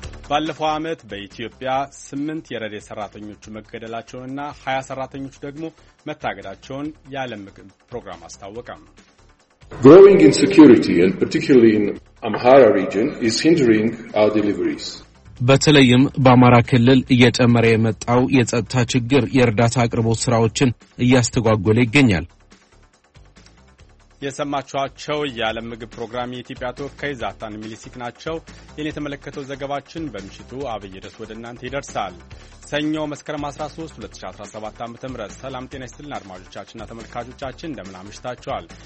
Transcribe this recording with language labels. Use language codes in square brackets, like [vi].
[am] ባለፈው ዓመት በኢትዮጵያ 8 የረዴ ሰራተኞች መገደላቸውንና 20 ሰራተኞች ደግሞ መታገዳቸውን የዓለም ምግብ ፕሮግራም አስታወቀ። [en] Growing insecurity and particularly in Amhara region is hindering our deliveries. [am] በተለይም በአማራ ክልል እየጨመረ የመጣው የጸጥታ ችግር የእርዳታ አቅርቦት ስራዎችን እያስተጓጎለ ይገኛል። የሰማችኋቸው የዓለም ምግብ ፕሮግራም የኢትዮጵያ ተወካይ ዛታን ሚሊሲክ ናቸው። ይህን የተመለከተው ዘገባችን በምሽቱ አብይ ርዕስ ወደ እናንተ ይደርሳል። ሰኞ መስከረም 13 2017 ዓ.ም። ሰላም ጤና ይስጥልን አድማጮቻችንና ተመልካቾቻችን፣ እንደምን አምሽታችኋል?